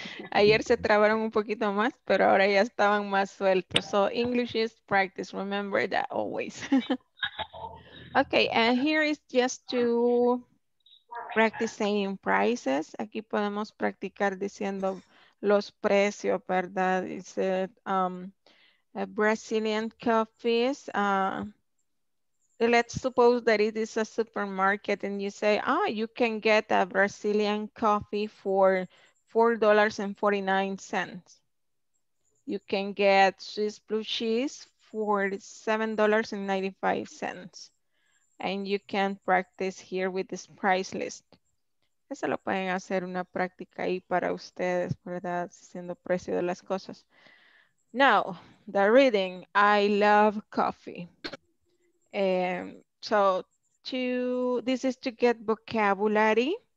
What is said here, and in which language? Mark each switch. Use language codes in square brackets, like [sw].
[es] Ayer se trabaron un poquito más, pero ahora ya estaban más sueltos. [en] So, English is practice. Remember that always. Okay, and here is just to practice saying prices. [es] Aquí podemos practicar diciendo los precios, ¿verdad? [en] Is it Brazilian coffees? Let's suppose that it is a supermarket and you say, ah, oh, you can get a Brazilian coffee for $4.49. You can get Swiss blue cheese for $7.95. And you can practice here with this price list. [es] Eso lo pueden hacer una práctica ahí para ustedes, ¿verdad? Siendo precio de las cosas. [en] Now, the reading, I love coffee. This is to get vocabulary.